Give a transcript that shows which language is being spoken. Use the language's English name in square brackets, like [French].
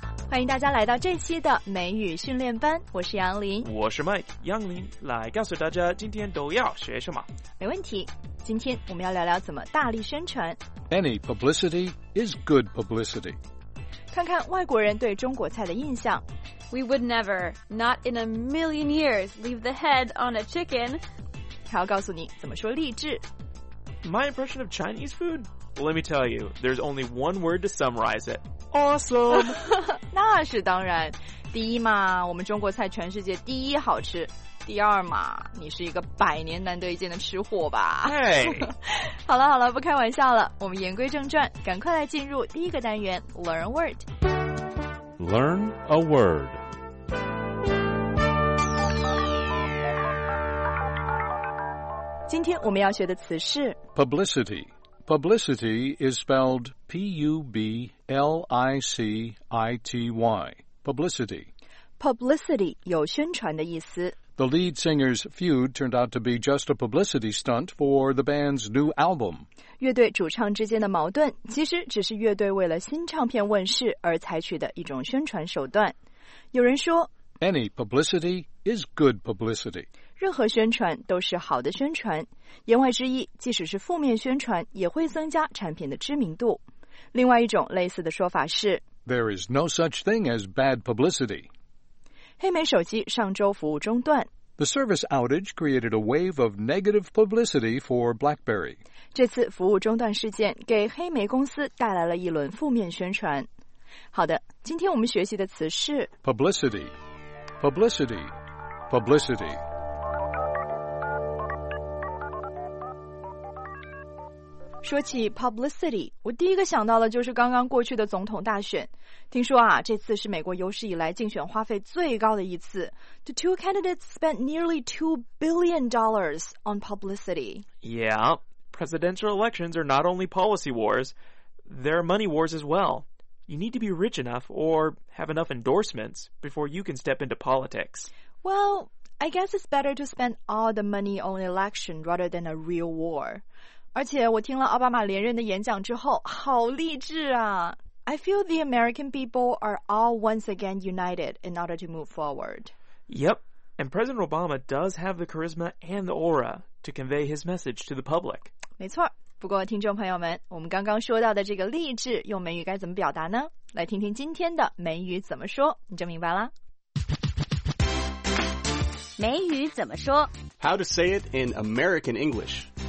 [Chinese] 欢迎大家来到这期的美语训练班，我是杨林，我是 Mike 杨林，来告诉大家今天都要学什么。没问题，今天我们要聊聊怎么大力宣传。 [English] Any publicity is good publicity. [Chinese] 看看外国人对中国菜的印象。 [English] We would never, not in a million years, leave the head on a chicken. [Chinese] 还要告诉你怎么说励志。 [English] My impression of Chinese food? Let me tell you, there's only one word to summarize it. Awesome! [Chinese] 那是当然。第一嘛，我们中国菜全世界第一好吃。第二嘛，你是一个百年难得一见的吃货吧。 [English] Hey! [Chinese] 好了好了，不开玩笑了，我们言归正传，赶快来进入第一个单元 [English] Learn a Word。 Learn a word. Today, we're going to learn the word publicity. Publicity is spelled P-U-B-L-I-C-I-T-Y. Publicity. [Chinese] Publicity 有宣传的意思。 [English] The lead singer's feud turned out to be just a publicity stunt for the band's new album. [Chinese] 乐队主唱之间的矛盾其实只是乐队为了新唱片问世而采取的一种宣传手段。有人说 [English] Any publicity is good publicity. [Chinese] 任何宣传都是好的宣传。言外之意，即使是负面宣传也会增加产品的知名度。另外一种类似的说法是 [English] There is no such thing as bad publicity. [Chinese] 黑莓手机上周服务中断。 [English] The service outage created a wave of negative publicity for BlackBerry. [Chinese] 这次服务中断事件给黑莓公司带来了一轮负面宣传。好的，今天我们学习的词是 [English] publicity, publicity, publicity. Publicity. [Chinese] 说起 publicity, 我第一个想到的就是刚刚过去的总统大选。听说啊，这次是美国有史以来竞选花费最高的一次。 [English] The two candidates spent nearly $2 billion on publicity. Yeah, presidential elections are not only policy wars, they're money wars as well. You need to be rich enough or have enough endorsements before you can step into politics. Well, I guess it's better to spend all the money on election rather than a real war. [Chinese] 而且我听了奥巴马连任的演讲之后，好励志啊！ [English] I feel the American people are all once again united in order to move forward. Yep, and President Obama does have the charisma and the aura to convey his message to the public. [Chinese] 没错，不过听众朋友们，我们刚刚说到的这个励志用美语该怎么表达呢？来听听今天的美语怎么说，你就明白了。美语怎么说？ [English] How to say it in American English.